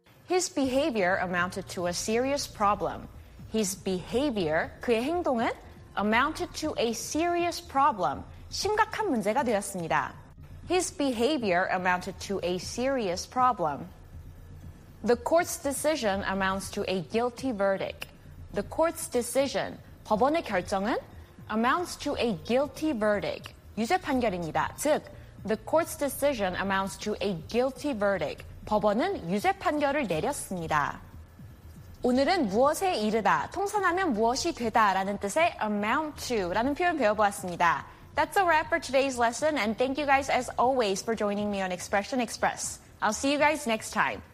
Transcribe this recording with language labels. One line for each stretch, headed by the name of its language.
English: His behavior amounted to a serious problem. His behavior,
Korean: 그의 행동은
English: amounted to a serious problem.
Korean: 심각한 문제가 되었습니다.
English: His behavior amounted to a serious problem. The court's decision amounts to a guilty verdict. The court's decision
Korean: 법원의 결정은
English: amounts to a guilty verdict,
Korean: 유죄 판결입니다.
English: 즉, the court's decision amounts to a guilty verdict.
Korean: 법원은 유죄 판결을 내렸습니다. 오늘은 무엇에 이르다, 통산하면 무엇이 되다라는 뜻의 amount to라는 표현 배워보았습니다.
English: That's a wrap for today's lesson, and thank you guys as always for joining me on Expression Express. I'll see you guys next time.